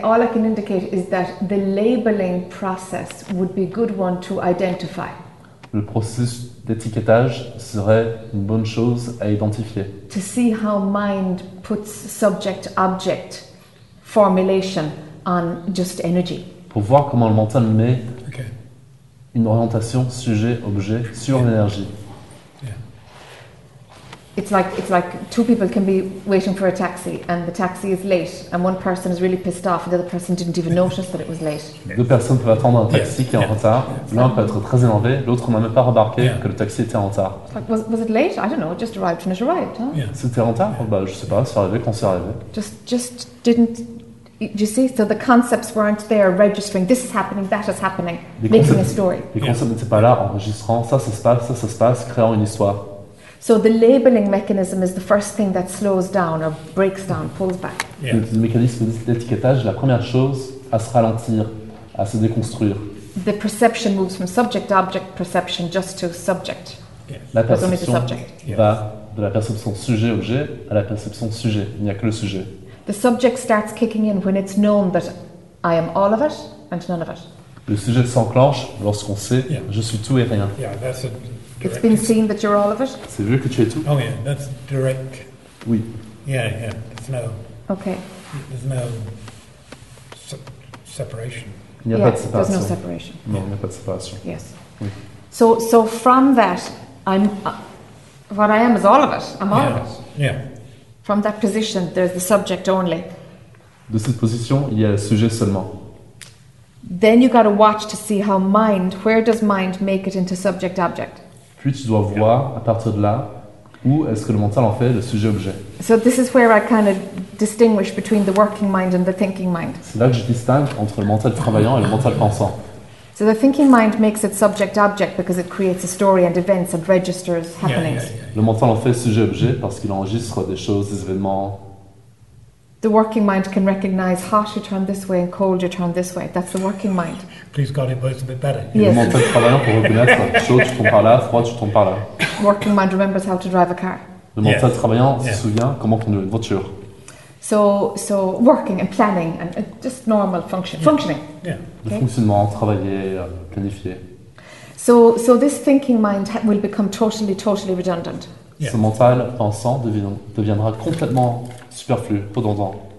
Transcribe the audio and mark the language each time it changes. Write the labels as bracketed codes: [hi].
[en] All I can indicate is that the labeling process would be a good one to identify. [fr] Le processus d'étiquetage serait une bonne chose à identifier. [en] To see how mind puts subject-object formulation on just energy. [fr] Pour voir comment le mental met. Une orientation sujet-objet sur l'énergie. [en] Yeah. It's like two people can be waiting for a taxi and the taxi is late and one person is really pissed off and the other person didn't even notice that it was late. [fr] Deux personnes peuvent attendre un taxi qui est en retard. L'un peut être très énervé, l'autre n'a même pas remarqué que le taxi était en retard. [en] Like, was it late? I don't know. It just arrived when it arrived. Huh? Yeah. [fr] C'était en retard? Oh, bah, je sais pas. C'est arrivé quand c'est arrivé. [en] Just didn't. You see, so the concepts weren't there registering. This is happening, that is happening, making a story. [fr] Les concepts n'étaient pas là, enregistrant. Ça se passe, créant une histoire. [en] So the labeling mechanism is the first thing that slows down or breaks down, pulls back. Yeah. [fr] Le mécanisme d'étiquetage est la première chose à se ralentir, à se déconstruire. [en] The perception moves from subject to object perception just to subject. [fr] La perception va de la perception sujet-objet à la perception sujet. Il n'y a que le sujet. [en] The subject starts kicking in when it's known that I am all of it and none of it. [fr] Le sujet s'enclenche lorsqu'on sait je suis tout et rien. [en] Yeah, that's a direct. It's been seen that you're all of it. [fr] C'est vu que tu es tout. [en] Oh yeah, that's direct. [fr] Oui. [en] Yeah, there's no. Okay. There's no separation. [fr] Il n'y a pas de séparation. [en] There's no separation. [fr] Non, il n'y a pas de séparation. [en] Yes. [fr] Oui. [en] So from that, what I am is all of it. I'm all of it. Yeah. From that position, there's the subject only. [fr] De cette position, il y a le sujet seulement. [en] Then you got to watch to see how mind, where does mind make it into subject-object? [fr] Puis tu dois voir à partir de là où est-ce que le mental en fait le sujet-objet. [en] So this is where I kind of distinguish between the working mind and the thinking mind. [fr] C'est là que je distingue entre le mental travaillant et le mental pensant. [en] So the thinking mind makes it subject-object because it creates a story and events and registers happenings. [fr] Le mental en fait sujet-objet parce qu'il enregistre des choses, des événements. [en] The working mind can recognize hot you turn this way and cold you turn this way. That's the working mind. Please God, it works a bit better. Yes. [fr] Le mental travaillant pour reconnaître chaud tu tombes par là, froid tu tombes par là. [en] Working mind remembers how to drive a car. [fr] Le mental travaillant se souvient comment conduire une voiture. [en] So working and planning and just normal functioning. Yeah. [fr] Okay. Le fonctionnement, travailler, planifier. [en] So this thinking mind will become totally redundant. [fr] Yeah. Ce mental pensant deviendra complètement superflu, redondant.